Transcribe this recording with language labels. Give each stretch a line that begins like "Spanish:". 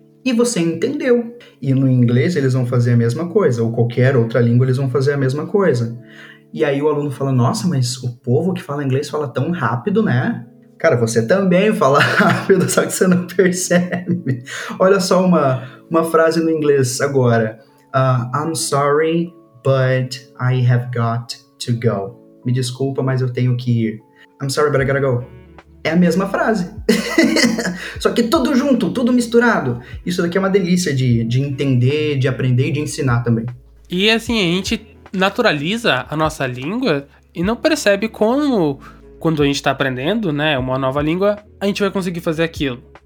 Portuguese: E você entendeu. E no inglês eles vão fazer a mesma coisa. Ou qualquer outra língua eles vão fazer a mesma coisa. E aí o aluno fala, nossa, mas o povo que fala inglês fala tão rápido, né? Cara, você também fala rápido, só que você não percebe. Olha só uma frase no inglês agora.
English: I'm sorry, but I have got to go.
Portuguese: Me desculpa, mas eu tenho que ir.
English: I'm sorry, but I gotta go.
Portuguese: É a mesma frase, só que tudo junto, tudo misturado. Isso daqui é uma delícia de entender, de aprender e de ensinar também. E assim, a gente naturaliza a nossa língua e não percebe como, quando a gente está aprendendo, né, uma nova língua, a gente vai conseguir fazer aquilo.